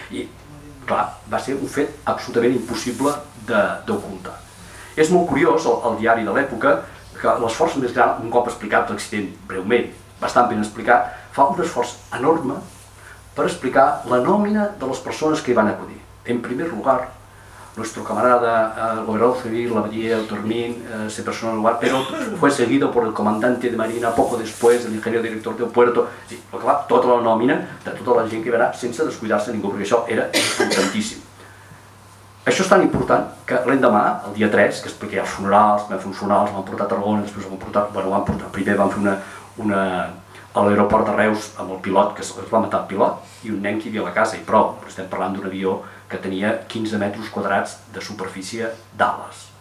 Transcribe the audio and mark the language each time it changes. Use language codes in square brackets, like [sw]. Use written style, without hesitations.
[ca] I, clar, va ser un fet absolutament impossible d'ocultar. És molt curiós el diari de l'època que l'esforç més gran, un cop explicat l'accident breument, bastant ben explicat, fa un esforç enorme per explicar la nòmina de les persones que hi van acudir. [es] En primer lugar, nuestro camarada, gobernador civil, la Badía, el Tormín, se personó en el lugar, pero fue seguido por el comandante de Marina poco después, el ingeniero director del puerto. [ca] Sí, però clar, tota la nòmina de tota la gent que hi va anar sense descuidar-se ningú, perquè això era importantíssim. Això és tan important que l'endemà, el dia 3, que expliqué els funerals, vam fer uns funerals, vam portar a Tarragona, després vam portar, bueno, vam portar, primer vam fer una a l'aeroport de Reus amb el pilot, que es va matar el pilot, i un nen que hi havia a la casa, i prou, estem parlant d'un avió que tenia 15 metres quadrats de superfície d'ales.